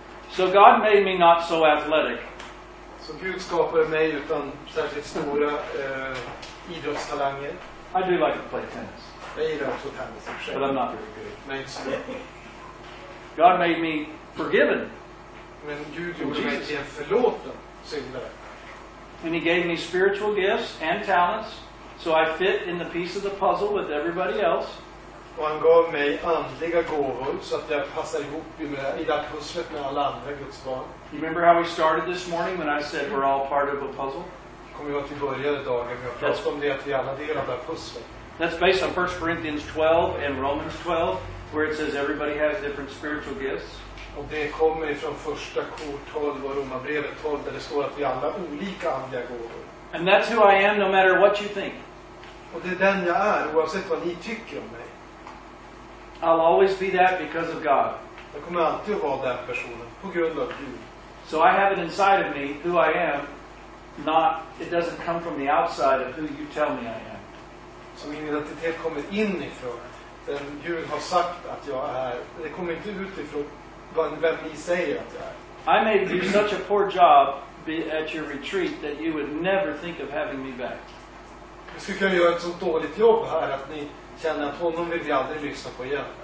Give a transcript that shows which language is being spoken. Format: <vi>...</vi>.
<en>So God made me not so athletic.</en> <sv>Så Gud skapade mig utan särskilt stora idrottstalanger.</sv> <en>I do like to play tennis.</en> <sv>Jag gillar också tennis i och för sig.</sv> <en>But I'm not very good.</en> <sv>Men inte så bra.</sv> <en>God made me forgiven.</en> <sv>Men Gud gjorde mig till en förlåten syndare.</sv> <en>And he gave me spiritual gifts and talents so I fit in the piece of the puzzle with everybody else.</en> <sv>Och han gav mig andliga gåvor så att jag passar ihop i det här pusslet med alla andra Guds barn.</sv> <en>You remember how we started this morning when I said we're all part of a puzzle?</en> <sv>Kommer jag att vi började dagen med att prata om det att vi alla delar det här pusslet?</sv> <en>That's based on 1 Corinthians 12 and Romans 12, where it says everybody has different spiritual gifts.</en> <sv>Och det kommer från 1 Kor 12 och Romarbrevet 12, där det står att vi alla har olika andliga gåvor.</sv> <en>And that's who I am no matter what you think.</en> <sv>Och det är den jag är, oavsett vad ni tycker om mig.</sv> <en>I'll always be that because of God.</en> <sv>Jag kommer alltid att vara den personen på grund av Gud.</sv> <en>So I have it inside of me who I am, not it doesn't come from the outside of who you tell me I am.</en> <sv>Så min identitet kommer inifrån. Den Gud har sagt att jag är. Det kommer inte utifrån vem ni säger att jag är.</sv> <en>I made you such a poor job at your retreat that you would never think of having me back.</en> <sv>Jag skulle kunna göra ett så dåligt jobb här att ni känner att honom vill vi aldrig lyssna på igen.</sv>